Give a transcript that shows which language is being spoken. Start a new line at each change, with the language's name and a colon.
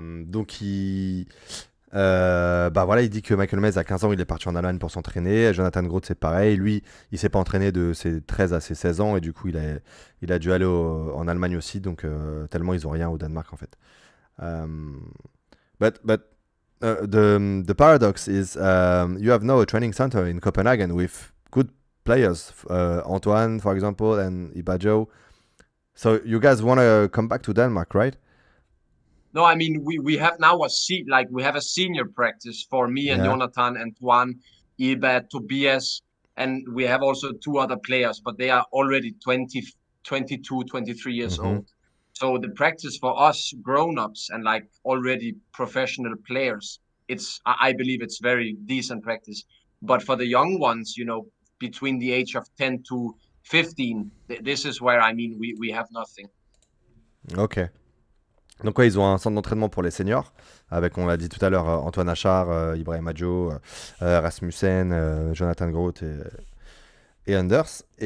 French: Donc il, bah voilà, il dit que Michael Mez à 15 ans, il est parti en Allemagne pour s'entraîner. Jonathan Groth, c'est pareil. Lui, il s'est pas entraîné de ses 13 à ses 16 ans et du coup, il a dû aller en Allemagne aussi. Donc tellement ils ont rien au Danemark en fait.
English: But the paradox is you have now a training center in Copenhagen with good players, Antoine for example and Ibajo. So you guys want to come back to Denmark, right? No, I mean we have now a seat, like we have a senior practice for me and Yeah. Jonathan and Juan, Iba, Tobias, and we have also two other players, but they are already 20, 22, 23 years old. So the practice for us grown-ups and like already professional players, it's I believe it's very decent practice. But for the young ones, you know, between the age of 10 to 15, this is where I mean we have nothing. Ok.
French: Donc ouais, ils ont un centre d'entraînement pour les seniors, avec, on l'a dit tout à l'heure, Antoine Achard, Ibrahim Adjo, Rasmussen, Jonathan Groth et Anders.